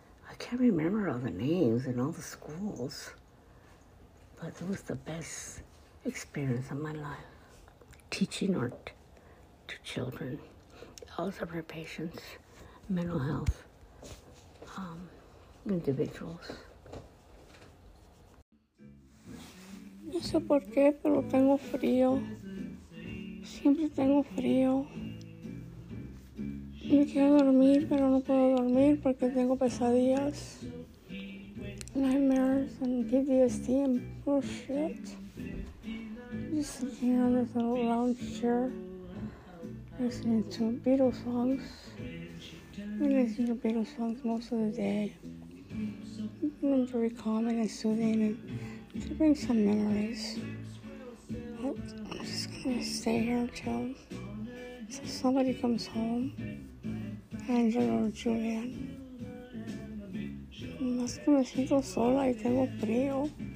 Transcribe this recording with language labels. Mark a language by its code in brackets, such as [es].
[en] I can't remember all the names and all the schools, but it was the best experience of my life, teaching art to children, Alzheimer's patients, mental health, individuals. [es] No sé por qué, pero tengo frío. Siempre tengo frío. Me quiero dormir, pero no puedo dormir porque tengo pesadillas, [en] nightmares, and PTSD, and poor shit. Just sitting on this little lounge chair, listening to Beatles songs. I listen to Beatles songs most of the day. I'm very calming and soothing, and to bring some memories. But I'm just gonna stay here until somebody comes home. Angel or Julian. [es] Más que me siento sola y tengo frío.